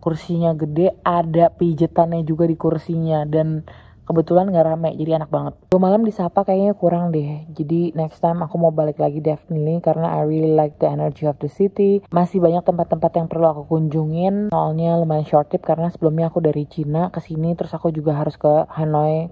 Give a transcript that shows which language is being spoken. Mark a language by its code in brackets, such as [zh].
[id] Kursinya gede, ada pijetannya juga di kursinya dan kebetulan gak rame, jadi enak banget. Dua malam di Sapa kayaknya kurang deh. Jadi [en] next time [id] aku mau balik lagi definitely. Karena [en] I really like the energy of the city. [id] Masih banyak tempat-tempat yang perlu aku kunjungin. Soalnya lumayan [en] short trip. [id] Karena sebelumnya aku dari Cina ke sini. Terus aku juga harus ke Hanoi.